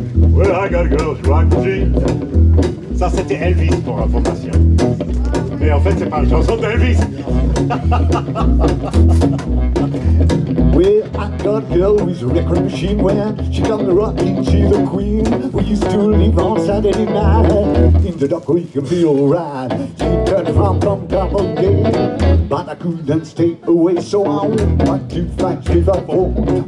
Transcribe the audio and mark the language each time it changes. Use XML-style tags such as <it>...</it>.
<en>Well, I got a girl, she rocks the jeans.</en> <fr>Ça, c'était Elvis pour information. Mais en fait, c'est pas une chanson d'Elvis.</fr> <en>Well, I got a girl with a record machine. When she got me rocking, she's a queen. We used to live on Saturday night. In the dark, we can feel right. She turned around from double day. But I couldn't stay away, so I went 1, 2, 5, 3, 4.</en>